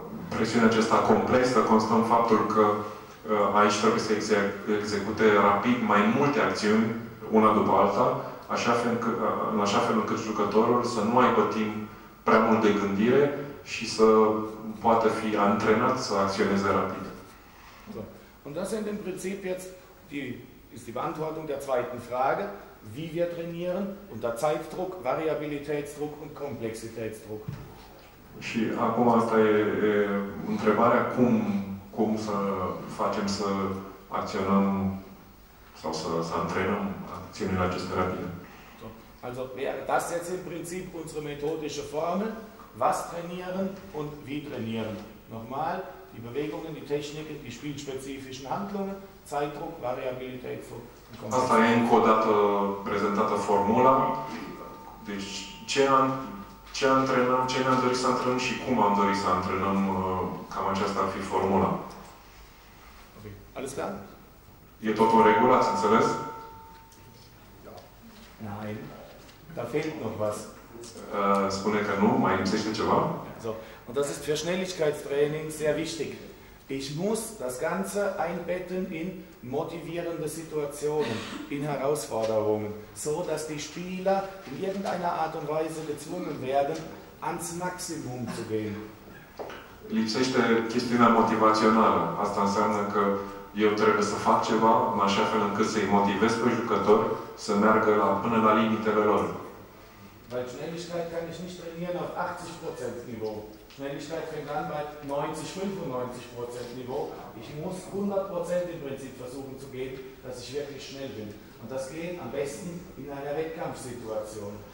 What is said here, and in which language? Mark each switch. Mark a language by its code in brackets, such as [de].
[ro] Presiunea aceasta complexă constă în faptul că aici trebuie să execute rapid mai multe acțiuni, una după alta, în așa fel încât jucătorul să nu aibă timp prea mult de gândire și să poată fi antrenat să acționeze rapid. [de] So. Und das sind im Prinzip jetzt die, ist die Beantwortung der zweiten Frage, wie wir trainieren, unter Zeitdruck, Variabilitätsdruck und Komplexitätsdruck. [ro] Și acum asta e întrebarea, cum să facem să acționăm sau să antrenăm acțiunile acestea rapide. [de] So. Also, wäre das jetzt im Prinzip unsere methodische Formel, was trainieren und wie trainieren. Nochmal, die Bewegungen, die Techniken, die spielspezifischen Handlungen, Zeitdruck, Variabilität. [ro] Asta e încă o dată prezentată formula, deci ce antrenăm, ce ne-am dorit să antrenăm și cum am dorit să antrenăm, cam aceasta ar fi formula. [de] Ok. Alles klar? [ro] E tot în regulă, ați înțeles? [de] Ja. Nein. Da fehlt noch was. [ro] Spune că nu, mai lipsește ceva. [de] So. Und das ist für Schnelligkeitstraining sehr wichtig. Ich muss das Ganze einbetten in motivierende Situationen, in Herausforderungen, so dass die Spieler in irgendeiner Art und Weise gezwungen werden, ans Maximum zu gehen. [ro] Lipsește chestiunea motivațională. Asta înseamnă că eu trebuie să fac ceva în așa fel încât să-i motivez pe jucători să meargă până la limitele lor. [de] Bei Schnelligkeit kann ich nicht trainieren auf 80% Niveau. Schnelligkeit fängt an bei 90-95% Niveau. Ich muss 100% im Prinzip versuchen zu gehen, dass ich wirklich schnell bin. Und das geht am besten in einer Wettkampfsituation.